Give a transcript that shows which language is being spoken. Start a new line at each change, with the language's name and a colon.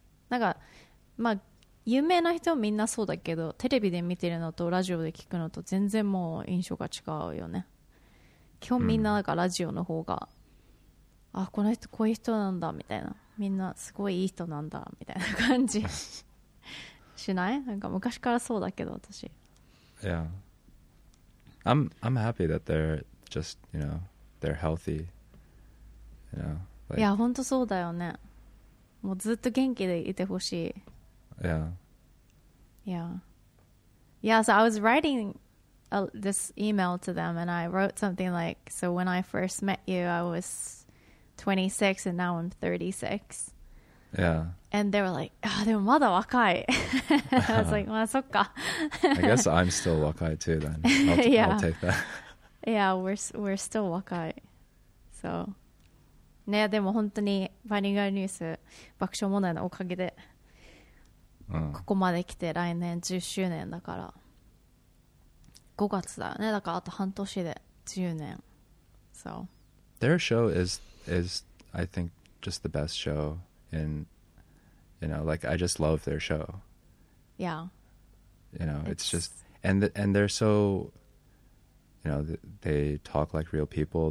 Japanese: なんかまあ有名な人はみんなそうだけど、テレビで見てるのとラジオで聞くのと全然もう印象が違うよね。基本みんななんかラジオの方が、うん、あ、この人こういう人なんだみたいな、みんなすごいいい人なんだみたいな感じしない？なんか昔からそうだけど私。
English: Yeah, I'm happy that they're just, you know, they're healthy, you know, like,
Japanese: いや本当そうだよね。もうずっと元気でいてほしい。
English: Yeah, yeah, yeah. So I was writing this email to them and I wrote something like, so when I first met you I was 26 and now I'm 36. Yeah. And they were like, ah,
Japanese: でもまだ若い。
English: I was like,
Japanese: まあそっか。
English: I guess I'm still 若い too then. I'll take that. Yeah, we're still 若い。
Japanese: So ね、でも本当にバニガルニュース爆笑問題のおかげで、ここまで来て来年10周年だから5月だよね。だからあと半年で10年。
English: So their show is I think just the best show in, you know, like I just love their show. Yeah, you know, it's just and they're so, you know, they talk like real people.